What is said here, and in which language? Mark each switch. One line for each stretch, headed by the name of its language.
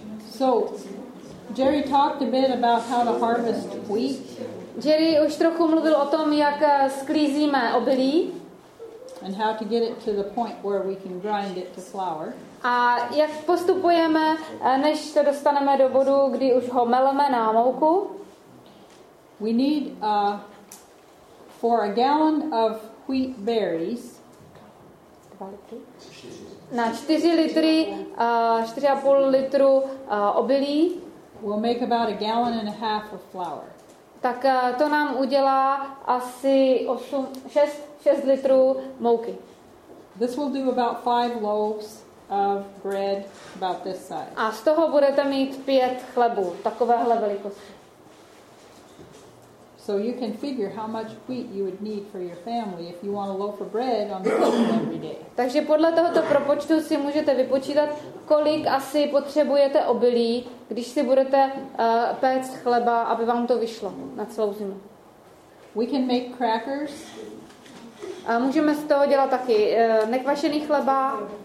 English: So, Jerry talked a bit about how to harvest wheat.
Czech: Jerry už trochu mluvil o tom, jak sklízíme obilí.
English: And how to get it to the point where we can grind it to flour.
Czech: A jak postupujeme, než to dostaneme do bodu, kdy už ho meleme na mouku.
English: We need for a gallon of wheat berries.
Czech: 2 litry. Na 4 litry, 4,5 litru obilí.
English: We'll make about a gallon and a half of flour.
Czech: Tak to nám udělá asi 6 litrů mouky.
English: This will do about 5 loaves of bread about this size.
Czech: A z toho budete mít 5 chlebů takovéhle velikosti.
English: So you can figure how much wheat you would need for your family if you want a loaf of bread on the table every day.
Czech: Takže podle tohoto propočtu si můžete vypočítat, kolik asi potřebujete obilí, když si budete péct chleba, aby vám to vyšlo na celou zimu.
English: We can make crackers.
Czech: A můžeme z toho dělat taky nekvašený chleba.